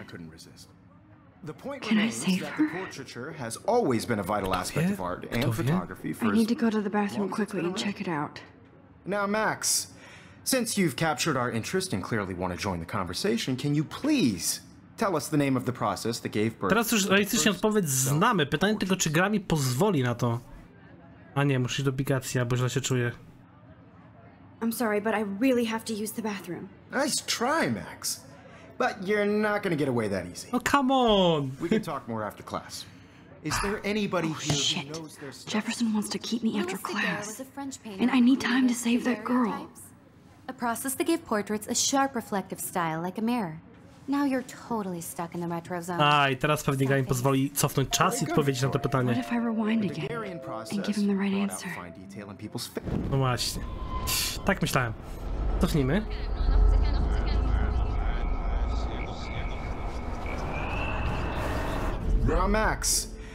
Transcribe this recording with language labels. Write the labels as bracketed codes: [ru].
[en] I couldn't resist. The point can I save her? Portraiture has always been a vital aspect of art and photography. I need to go to the bathroom quickly and check it out. Now, Max, since you've captured our interest and clearly want to join the conversation, can you please tell us the name of the process that gave birth? [pl] Teraz już realistycznie odpowiedź znamy. Pytanie tylko, czy gra mi pozwoli na to. A nie, muszę iść do bigacji, bo źle się czuję. [en] I'm sorry, but I really have to use the bathroom. Nice try, Max. But you're not gonna get away that easy. Oh, come on! We can talk more after class. Is there anybody oh, here shit. Who knows their stuff? Jefferson wants to keep me after class. And I need time to save that girl. A process that gave portraits a sharp reflective style like a mirror. Now you're totally stuck in the retro zone. [pl] Aj, teraz pewnie gra mi pozwoli cofnąć czas i odpowiedzieć na to pytanie. [en] What if I rewind again and give him the right answer? [pl] No właśnie. Tak myślałem. Cofnijmy. [en] Now Max.